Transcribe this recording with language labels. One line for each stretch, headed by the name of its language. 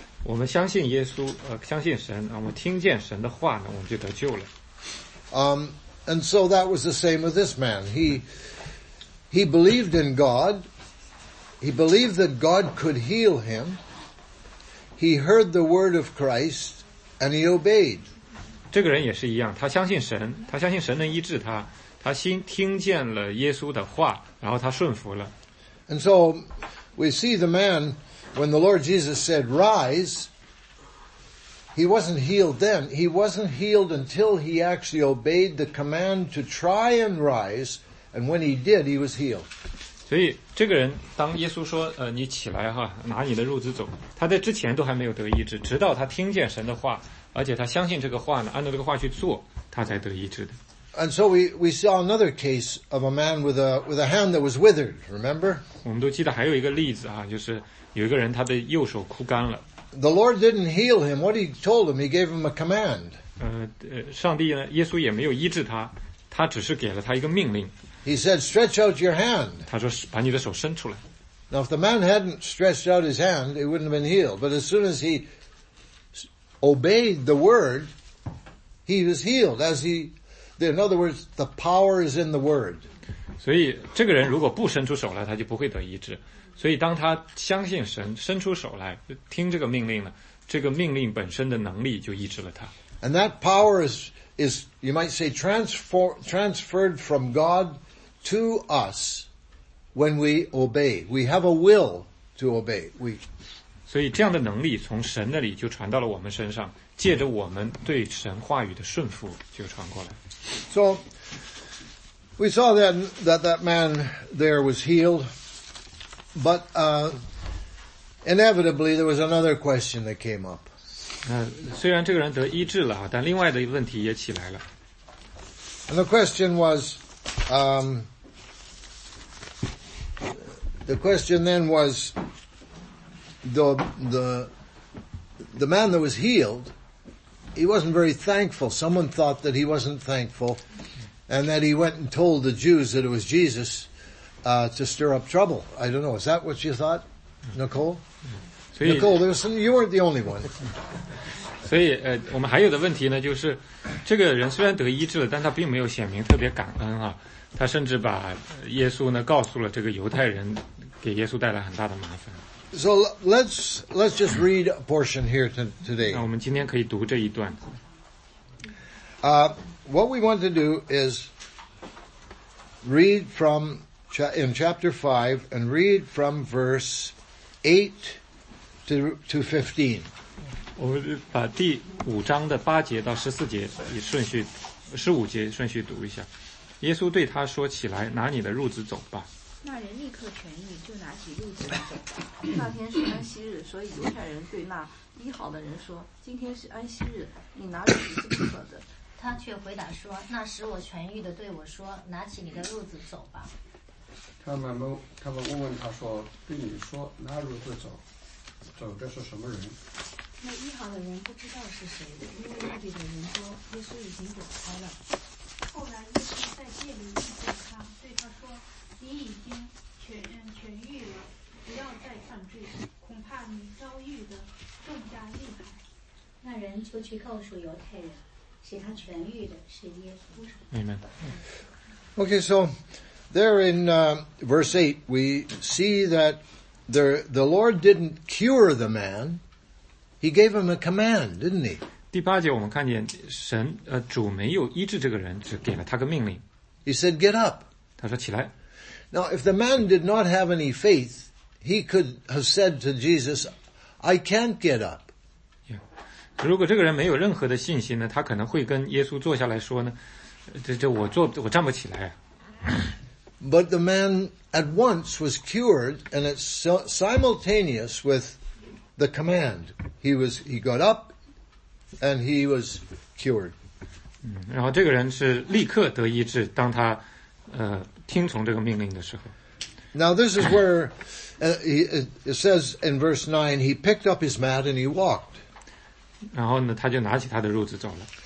Chinese: 我们相信耶稣，相信神，我们听见神的话呢，我们就得救了。
English: And so that was the same with this man. He believed in God. He believed that God could heal him. He heard the word of Christ and he obeyed.
Chinese: 这个人也是一样，他相信神，他相信神能医治他，他听见了耶稣的话，然后他顺服了。
English: And so we see the man, when the Lord Jesus said, rise, he wasn't healed then. He wasn't healed until he actually obeyed the command to try and rise, and when he did, he was healed.
Chinese: 所以这个人当耶稣说你起来哈，拿你的褥子走，他在之前都还没有得医治，直到他听见神的话，而且他相信这个话呢，按照这个话去做，他才得医治的。
English: And so we saw another case of a man with a hand that was withered, remember?
Chinese: 我们都记得还有一个例子啊，就是有一个人他的右手枯干了。
English: The Lord didn't heal him. What he told him, he gave him a command.
Chinese: 上帝呢，耶稣也没有医治他，他只是给了他一个命令。
English: He said, stretch out your hand.
Chinese: 他说把你的手伸出来。
English: Now, if the man hadn't stretched out his hand, he wouldn't have been healed. But as soon as he obeyed the word, he was healed. In other words, the power is in the word.
Chinese: 所以这个人如果不伸出手来，他就不会得医治。所以当他相信神伸出手来听这个命令呢，这个命令本身的能力就医治了他。
English: And that power is you might say transferred from God to us when we obey. We have a will to obey.
Chinese: 所以这样的能力从神那里就传到了我们身上，借着我们对神话语的顺服就传过来。
English: So we saw that man there was healed. But inevitably, there was another question that came up.
Chinese: 虽然这个人得医治了，但另外的问题也起来了。
English: And the question was, the question then was, the man that was healed, he wasn't very thankful. Someone thought that he wasn't thankful, and that he went and told the Jews that it was Jesus. To stir up trouble. I don't know. Is that what you thought, Nicole? Nicole, you weren't the only one.
Chinese: 所以我们还有的问题呢，就是这个人虽然得医治了，但他并没有显明特别感恩啊。他甚至把耶稣呢告诉了这个犹太人，给耶稣带来很大的麻烦。
English: So let's just read a portion here today.
Chinese: 那我们今天可以读这一段。
English: What we want to do is read from. In chapter 5, and read from verse 8 to 15.
Chinese: 我们把第五章的八节到十四节以顺序，十五节顺序读一下。耶稣对他说：“起来，拿你的褥子走吧。” 那人立刻痊愈，就拿起褥子走。那天是安息日，所以犹太人对那医好的人说：“今天是安息日，你拿褥子是不可的。” 他却回答说：“那使我痊愈的对我说：‘拿起你的褥子走吧。’” 他们问问他说：“对你说，拿褥子走，走的是什么人？” 那医好的人不知道是谁，因为那里的人说耶稣已经躲开了。后来耶稣在界里遇见他，对他说：“你已经痊愈了，不要再犯罪，恐怕你遭遇的更加厉害。” 那人就去告诉犹太人，使他痊愈的是耶稣。
English: Amen. Okay, so. There in verse 8, we see that the Lord didn't cure the man. He gave him a command, didn't he?
Chinese: 第八节我们看见神主没有医治这个人，只给了他个命令。
English: He said, get up.
Chinese: 他说起来。
English: Now, if the man did not have any faith, he could have said to Jesus, I can't get up. Yeah.
Chinese: 如果这个人没有任何的信心呢，他可能会跟耶稣坐下来说呢，这我站不起来啊。
English: But the man at once was cured, and it's simultaneous with the command. He got up, and he was cured.
Chinese: 然后这个人是立刻得医治，当他听从这个命令的时候。
English: Now this is where it says in verse 9, he picked up his mat and he walked.
Chinese: 然后呢，他就拿起他的褥子走了。